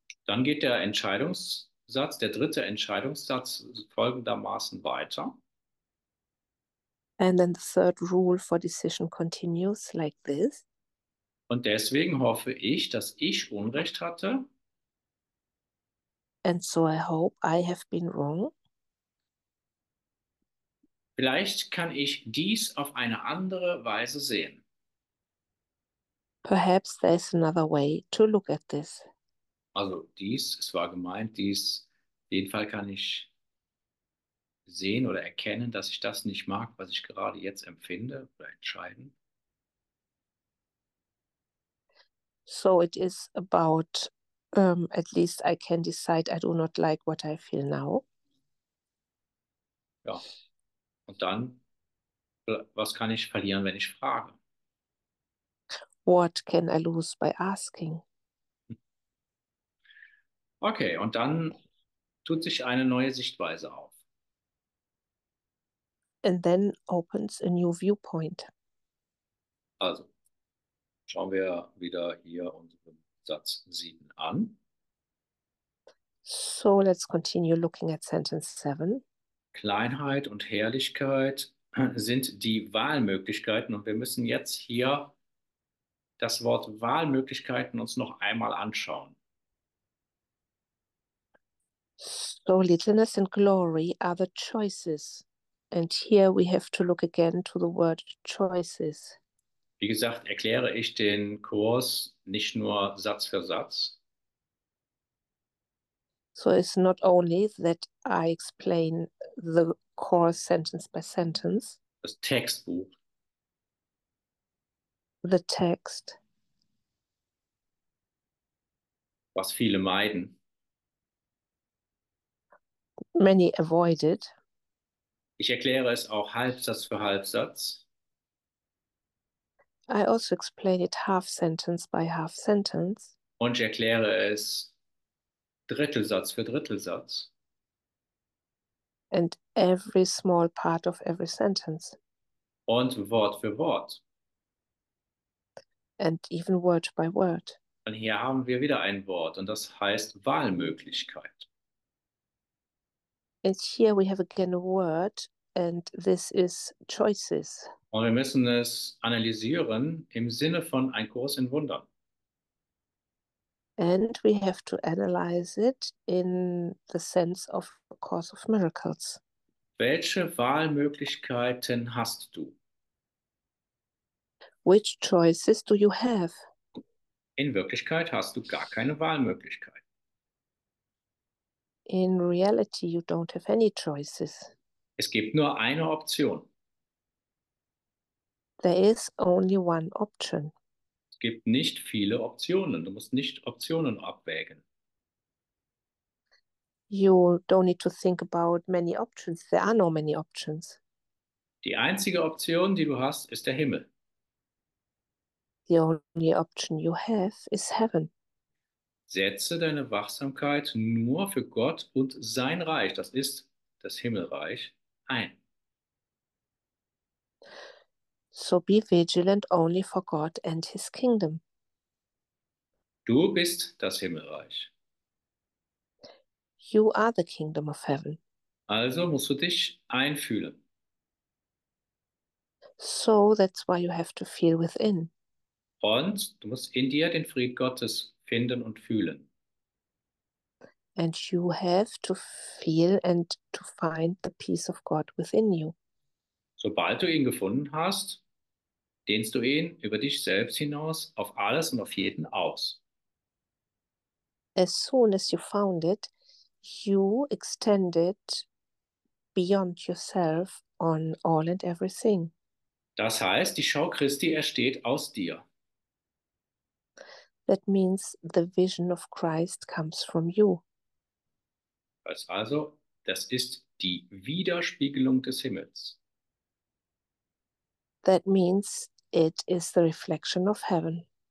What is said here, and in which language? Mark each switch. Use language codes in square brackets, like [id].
[de] Dann geht der Entscheidungssatz, der dritte Entscheidungssatz folgendermaßen weiter. [en] And then the third rule for decision continues like this. [de] Und deswegen hoffe ich, dass ich Unrecht hatte. [en] And so I hope I have been wrong. [de] Vielleicht kann ich dies auf eine andere Weise sehen. [en] Perhaps there is another way to look at this. [de] Also dies, es war gemeint, dies, den Fall kann ich sehen oder erkennen, dass ich das nicht mag, was ich gerade jetzt empfinde oder entscheiden. [en] So it is about, at least I can decide I do not like what I feel now. [de] Ja, und dann, was kann ich verlieren, wenn ich frage? [en] What can I lose by asking? [de] Okay, und dann tut sich eine neue Sichtweise auf. [en] And then opens a new viewpoint. [de] Also. Schauen wir wieder hier unseren Satz 7 an. [en] So let's continue looking at sentence 7. [de] Kleinheit und Herrlichkeit sind die Wahlmöglichkeiten und wir müssen jetzt hier das Wort Wahlmöglichkeiten uns noch einmal anschauen. [en] So littleness and glory are the choices. And here we have to look again to the word choices. [de] Wie gesagt, erkläre ich den Kurs nicht nur Satz für Satz. [en] So it's not only that I explain the course sentence by sentence. [de] Das Textbuch. [en] The text. [de] Was viele meiden. [en] Many avoided. [de] Ich erkläre es auch Halbsatz für Halbsatz. [en] I also explain it half sentence by half sentence. [de] Und ich erkläre es Drittelsatz für Drittelsatz. [en] And every small part of every sentence. [de] Und Wort für Wort. [en] And even word by word. [de] Und hier haben wir wieder ein Wort und das heißt Wahlmöglichkeit. [en] And here we have again a word and this is choices. [de] Und wir müssen es analysieren im Sinne von ein Kurs in Wundern. [en] And we have to analyze it in the sense of a course of miracles. [de] Welche Wahlmöglichkeiten hast du? [en] Which choices do you have? [de] In Wirklichkeit hast du gar keine Wahlmöglichkeit. [en] In reality, you don't have any choices. [de] Es gibt nur eine Option. [en] There is only one option. [de] Es gibt nicht viele Optionen. Du musst nicht Optionen abwägen. [en] You don't need to think about many options. There are no many options. [de] Die einzige Option, die du hast, ist der Himmel. [en] The only option you have is heaven. [de] Setze deine Wachsamkeit nur für Gott und sein Reich, das ist das Himmelreich, ein. [en] So be vigilant only for God and his kingdom. [de] Du bist das Himmelreich. [en] You are the kingdom of heaven. [de] Also musst du dich einfühlen. [en] So that's why you have to feel within. [de] Und du musst in dir den Fried Gottes finden und fühlen. [en] And you have to feel and to find the peace of God within you. [de] Sobald du ihn gefunden hast, dehnst du ihn über dich selbst hinaus, auf alles und auf jeden aus. [en] As soon as you found it, you extend it beyond yourself on all and everything. [de] Das heißt, die Schau Christi entsteht aus dir. [en] That means the vision of Christ comes from you. [de] Also, das ist die Widerspiegelung des Himmels. [en] That means it is the reflection of heaven.